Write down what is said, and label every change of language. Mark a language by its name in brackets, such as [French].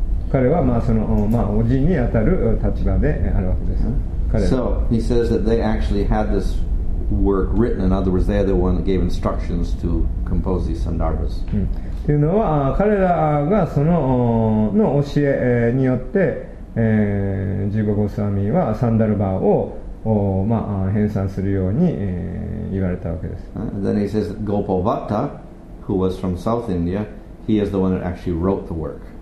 [Japanese] 彼はまあその、まあ、おじにあたる立場であるわけです。 [English] So he says that they actually had this work written. In other words, they are the one that gave instructions to compose these sandarbhas. [Japanese] というのは彼らがその教えによって。ジーゴゴスワミはサンダルバを、まあ、編纂するように、言われたわけです。 [English] Then he says that Gopal Bhatta, who was from South India, he is the one that actually wrote the work.